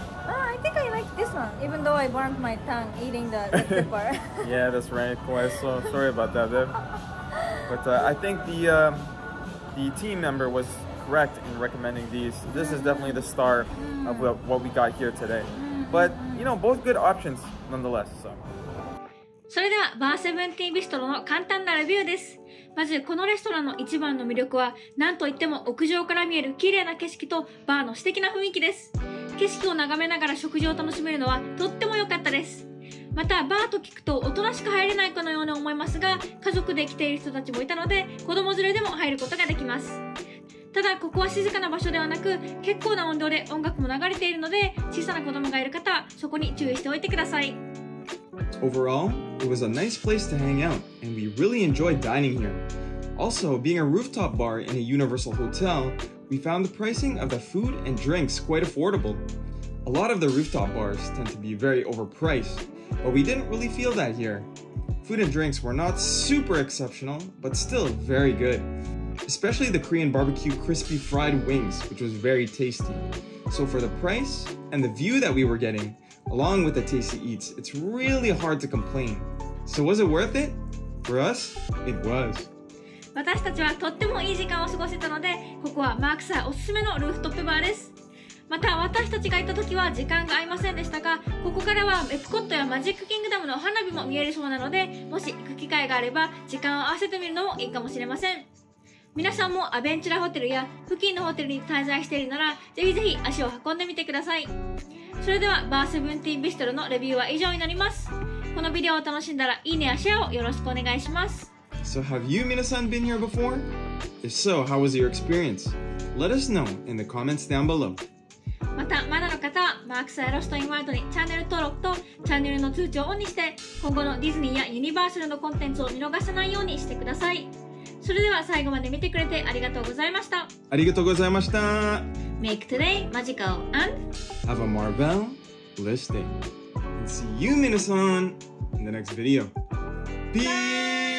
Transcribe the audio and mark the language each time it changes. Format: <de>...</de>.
<en>I think I like this one, even though I burnt my tongue eating the pepper. Yeah, that's right. Well, so sorry about that, babe. But I think the team member was correct in recommending these. This is definitely the star of what we got here today. But, you know, both good options nonetheless. So.</en> <ja>それではバーセブンティービストロの簡単なレビューです。まずこのレストランの一番の魅力は何といっても屋上から見える綺麗な景色とバーの素敵な雰囲気です。景色を眺めながら食事を楽しめるのはとっても良かったです。またバーと聞くとおとなしく入れないかのように思いますが、家族で来ている人たちもいたので子供連れでも入ることができます。ただここは静かな場所ではなく結構な音量で音楽も流れているので、小さな子供がいる方はそこに注意しておいてください。</ja> <en>Overall, it was a nice place to hang out, and we really enjoyed dining here. Also, being a rooftop bar in a universal hotel, we found the pricing of the food and drinks quite affordable. A lot of the rooftop bars tend to be very overpriced, but we didn't really feel that here. Food and drinks were not super exceptional, but still very good. Especially the Korean barbecue crispy fried wings, which was very tasty. So for the price and the view that we were getting,Along with the tasty eats, it's really hard to complain. So was it worth it? For us, it was.</en> <ja>私たちはとってもいい時間を過ごせたので、ここはマークさんおすすめのルーフトップバーです。また私たちが行った時は時間が合いませんでしたが、ここからはエプコットやマジックキングダムの花火も見えるそうなので、もし行く機会があれば時間を合わせてみるのもいいかもしれません。皆さんもアベンチュラホテルや付近のホテルに滞在しているなら、ぜひぜひ足を運んでみてください。それではバーセブンティービストロのレビューは以上になります。このビデオを楽しんだらいいねやシェアをよろしくお願いします。</ja> <en>So have you, Mina-san, been here before? If so, how was your experience? Let us know in the comments down below.</en> <ja>また、まだの方はマークスやロストインワールドにチャンネル登録とチャンネルの通知をオンにして、今後のディズニーやユニバーサルのコンテンツを見逃さないようにしてください。それでは最後まで見てくれてありがとうございました。ありがとうございました。</ja> <en>Make today magical and have a marvelous day. And see you, Mina-san, in the next video. Peace!</en>